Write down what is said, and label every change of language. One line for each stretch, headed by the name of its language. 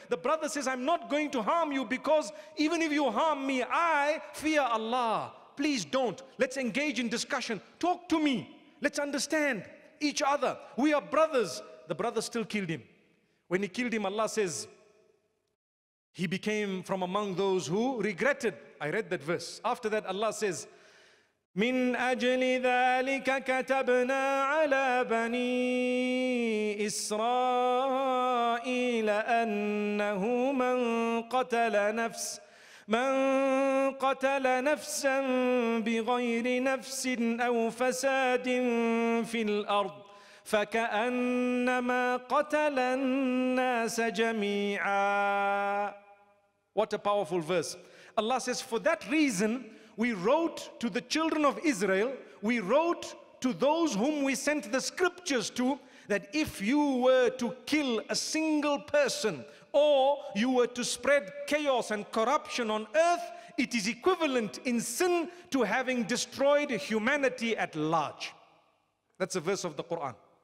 English: The brother says, "I'm not going to harm you because even if you harm me, I fear Allah. Please don't. Let's engage in discussion. Talk to me. Let's understand each other. We are brothers." The brother still killed him. When he killed him, Allah says, he became from among those who regretted. I read that verse. After that, Allah says,
Arabic: "من أجل ذلك كتبنا على بني إسرائيل أنه من قتل نفسا بغير نفس أو فساد في الأرض فكأنما قتل الناس جميعا."
English: What a powerful verse. Allah says, "For that reason, we wrote to the children of Israel, we wrote to those whom we sent the scriptures to, that if you were to kill a single person or you were to spread chaos and corruption on earth, it is equivalent in sin to having destroyed humanity at large." That's a verse of the Quran.